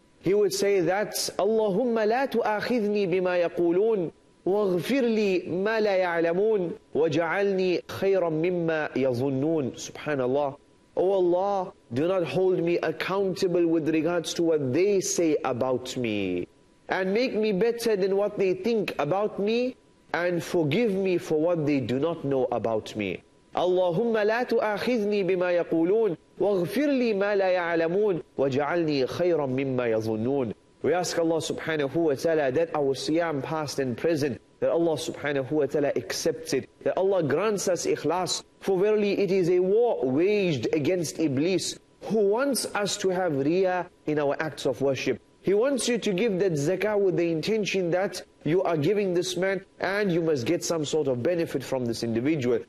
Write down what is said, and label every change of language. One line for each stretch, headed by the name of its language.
English: He would say that,
Arabic: Allahumma la tu'akhidni bima yaqulun, واغفر لي ما لا يعلمون وجعلني خيرا مما يظنون. سبحان الله.
English: Oh Allah, do not hold me accountable with regards to what they say about me, and make me better than what they think about me, and forgive me for what they do not know about me.
Arabic: اللهم لا تؤاخذني بما يقولون واغفر لي ما لا يعلمون واجعلني خيرا مما يظنون.
English: We ask Allah subhanahu wa ta'ala that our siyam past and present, that Allah subhanahu wa ta'ala accepts it, that Allah grants us ikhlas, for verily it is a war waged against Iblis, who wants us to have riya in our acts of worship. He wants you to give that zakah with the intention that you are giving this man and you must get some sort of benefit from this individual.